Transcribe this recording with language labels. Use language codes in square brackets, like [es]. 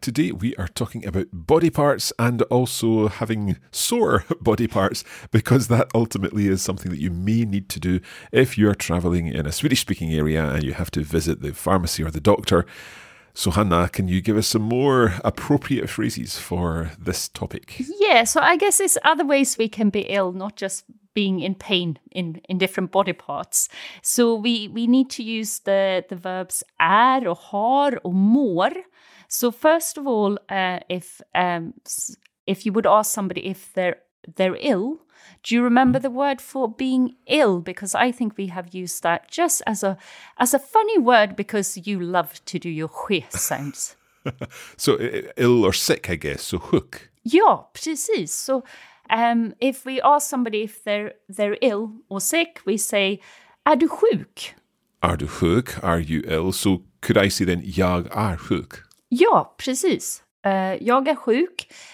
[en] Today we are talking about body parts and also having sore body parts, because that ultimately is something that you may need to do if you're traveling in a Swedish-speaking area and you have to visit the pharmacy or the doctor. So Hanna, can you give us some more appropriate phrases for this topic? Yeah, so I guess there's other ways we can be ill, not just being in pain in different body parts. So we need to use the verbs är or har or mår. So first of all, if you would ask somebody if they're ill, do you remember the word for being ill? Because I think we have used that just as a funny word, because you love to do your sjö sounds. So ill or sick, I guess. So hook. Yeah, [sv] precis. [en] So if we ask somebody if they're ill or sick, we say, [sv] är du sjuk? Är du sjuk? [en] Are you ill? So could I say then, [sv] jag är sjuk? Ja, precis. Jag är sjuk.